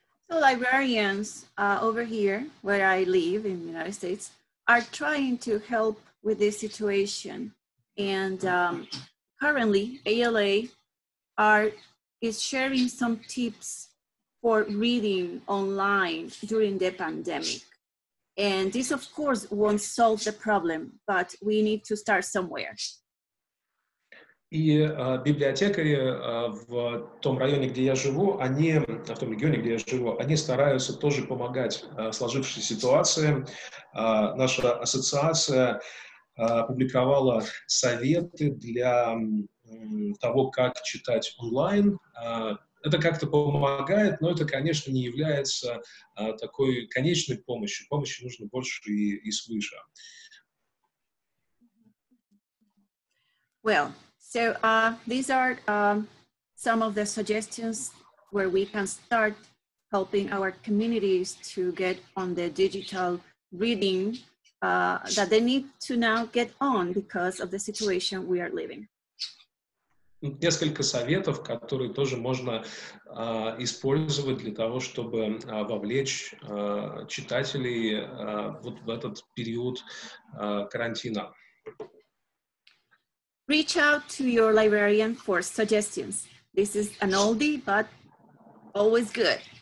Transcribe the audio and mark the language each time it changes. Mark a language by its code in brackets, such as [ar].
[en] So librarians over here, where I live in the United States, are trying to help with this situation, and currently, ALA is sharing some tips for reading online during the pandemic. And this, of course, won't solve the problem, but we need to start somewhere. [ru] И библиотекари в том районе, где я живу, они, в том регионе, где я живу, они стараются тоже помогать сложившейся ситуации. Наша ассоциация опубликовала советы для того, как читать онлайн. Это как-то помогает, но это, конечно, не является такой конечной помощью. Помощи нужно больше и свыше. [en] Well, so these are some of the suggestions where we can start helping our communities to get on the digital reading that they need to now get on because of the situation we are living. [ru] Несколько советов, которые тоже можно использовать для того, чтобы вовлечь читателей вот в этот период карантина. [en] Reach out to your librarian for suggestions. This is an oldie, but always good.